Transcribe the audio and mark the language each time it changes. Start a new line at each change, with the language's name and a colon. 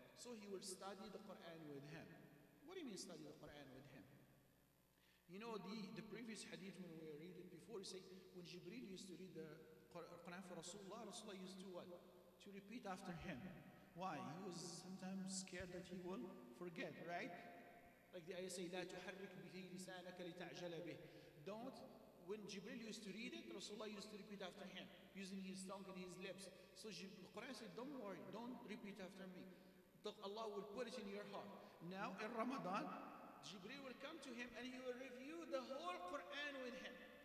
English: So he will study the Qur'an with him. What do you mean study the Qur'an with him? You know, the previous hadith when we read it before, you say, when Jibreel used to read the Quran for Rasulullah, Rasulullah used to what? To repeat after him. Why? He was sometimes scared that he will forget, right? Like the ayah say,
Arabic: لَا تُحَرِّكْ بِهِ لِسَانَكَ لِتَعْجَلَ بِهِ.
English: Don't. When Jibreel used to read it, Rasulullah used to repeat after him, using his tongue and his lips. So the Quran said, don't worry, don't repeat after me. Allah will put it in your heart. Now in Ramadan, Jibreel will come to him and he will review the whole Quran with him.